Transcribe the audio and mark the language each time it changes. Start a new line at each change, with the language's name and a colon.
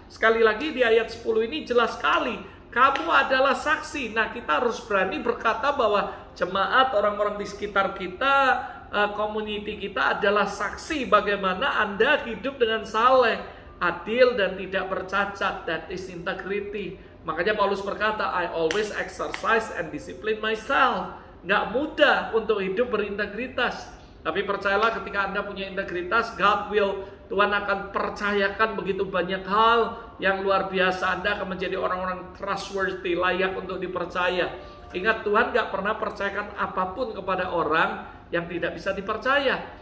Indonesian: Sekali lagi di ayat 10 ini jelas sekali, kamu adalah saksi. Nah, kita harus berani berkata bahwa jemaat, orang-orang di sekitar kita, community kita adalah saksi bagaimana Anda hidup dengan saleh, adil, dan tidak bercacat.
English: That is integrity.
Indonesian: Makanya Paulus berkata,
English: I always exercise and discipline myself.
Indonesian: Gak mudah untuk hidup berintegritas. Tapi percayalah, ketika Anda punya integritas,
English: God will,
Indonesian: Tuhan akan percayakan begitu banyak hal yang luar biasa. Anda akan menjadi orang-orang trustworthy, layak untuk dipercaya. Ingat, Tuhan gak pernah percayakan apapun kepada orang yang tidak bisa dipercaya.